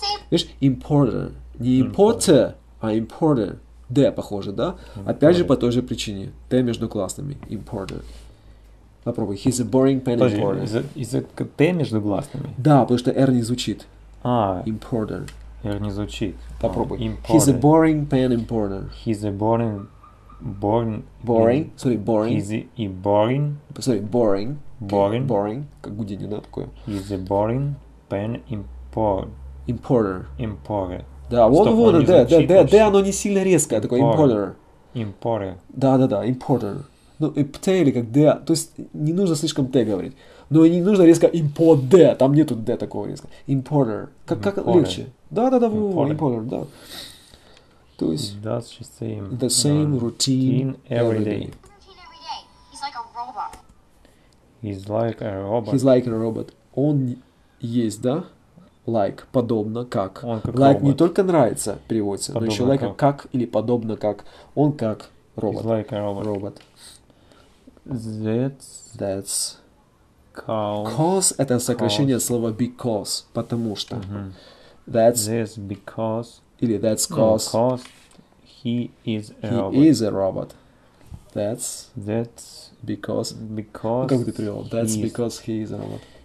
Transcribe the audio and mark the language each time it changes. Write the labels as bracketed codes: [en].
[ru] Видишь, importer. Не importer, а importer. D похоже, да? Important. Опять же, по той же причине. T между гласными. Importer. Попробуй. [en] He's a boring pen importer. Is it T [ru] между гласными? Да, потому что R не звучит. А. [en] Importer. [ru] R не звучит. Попробуй. Importer. [en] He's a boring pen importer. He's a boring... Boring. Sorry, boring. He's a boring... Sorry, boring. Boring. [ru] Boring. Как гудение, да, такое? [en] He's a boring pen importer. Importer. Importer. [ru] Да, вот вот, да, оно не сильно резкое, такое importer. [en] Importer. [ru] Да, importer. Ну, и pt или как d, то есть не нужно слишком t говорить. Но и не нужно резко import d, там нету d такого резко. Importer. Как легче. Да, importer, да. То есть... [en] That's the same. The same routine every day. He's like a robot. He's like a robot. He's like a robot. [ru] Он есть, да? Like, подобно, как. Он как [en] like [ru] робот. Не только нравится, переводится, подобно но еще like, как или подобно, как. Он как робот. [en] He's like a robot. [ru] Робот. [en] That's cause. [ru] Это сокращение слова because, потому что. Mm-hmm. [en] That's because. Или that's cause. Because he is a he robot. He is a robot. That's because [ru] ну, как ты привел? [en] That's because he is a robot.